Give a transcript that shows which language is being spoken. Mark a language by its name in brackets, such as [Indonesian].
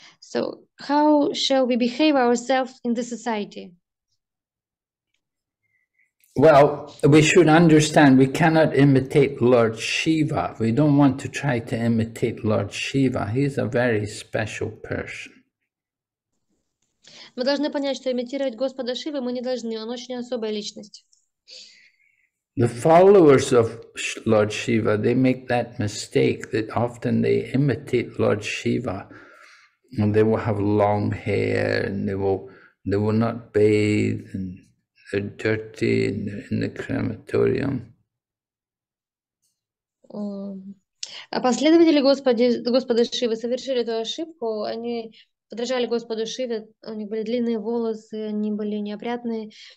[English] So how shall we behave ourselves in the society? Well, we should understand we cannot imitate Lord Shiva. We don't want to try to imitate Lord Shiva. He's a very special person. [Russian] Мы должны понять, что имитировать Господа Шивы мы не должны. Он очень особая личность. [English] The followers of Lord Shiva, they make that mistake that often they imitate Lord Shiva. And they will have long hair and they will not bathe and they're dirty in the crematorium. [Russian] А последователи Господа Шивы совершили эту ошибку. Они подражали Господу Шиве, у них были длинные волосы, они были неопрятные.